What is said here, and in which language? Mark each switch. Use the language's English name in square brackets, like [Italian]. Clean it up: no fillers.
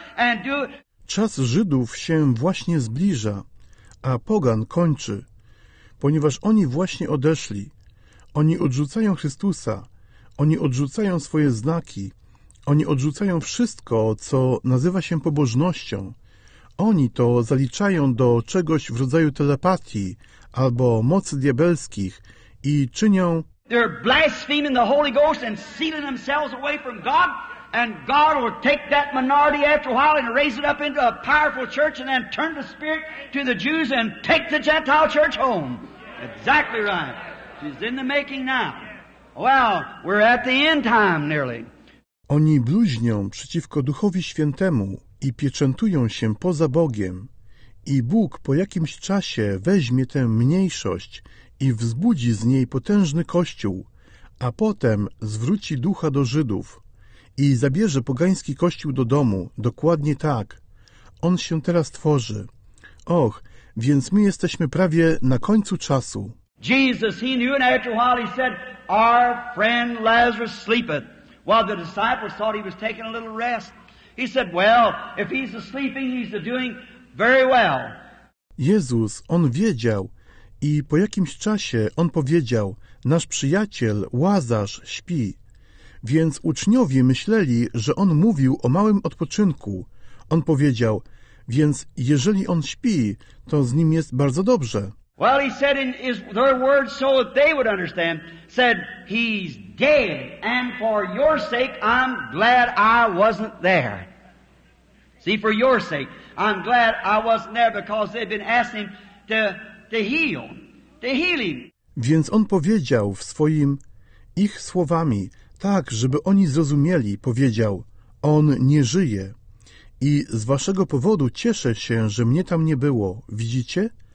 [English] And do [Polish] czas Żydów się właśnie zbliża, a pogan kończy, ponieważ oni właśnie odeszli. Oni odrzucają Chrystusa. Oni odrzucają swoje znaki. Oni odrzucają wszystko, co nazywa się pobożnością. Oni to zaliczają do czegoś w rodzaju telepatii albo mocy diabelskich i czynią... [English] They're blaspheming the Holy Ghost and sealing themselves away from God, and God will take that minority after a while and raise it up into a powerful church and then turn the spirit to the Jews and take the Gentile church home. Exactly right. She's in the making now. Well, we're at the end time nearly. [Polish] Oni bluźnią przeciwko Duchowi Świętemu i pieczętują się poza Bogiem. I Bóg po jakimś czasie weźmie tę mniejszość i wzbudzi z niej potężny kościół, a potem zwróci ducha do Żydów i zabierze pogański kościół do domu, dokładnie tak. On się teraz tworzy. Och, więc my jesteśmy prawie na końcu czasu. [English] Jesus, he knew, and after a while he said, our friend Lazarus sleepeth. While the disciples thought he was taking a little rest. He said, well, if he's asleep, he's doing very well. [Polish] Jezus, on wiedział i po jakimś czasie on powiedział, nasz przyjaciel Łazarz śpi. Więc uczniowie myśleli, że on mówił o małym odpoczynku. On powiedział, więc jeżeli on śpi, to z nim jest bardzo dobrze. [English] Well, he said in his their words so that they would understand, said, he's dead, and for your sake, I'm glad I wasn't there. See, for your sake, I'm glad I wasn't there, because they've been asking him to heal him. [Polish] Więc on powiedział w swoim, ich słowami, tak, żeby oni zrozumieli, powiedział, on nie żyje. I z waszego powodu cieszę się, że mnie tam nie było, widzicie?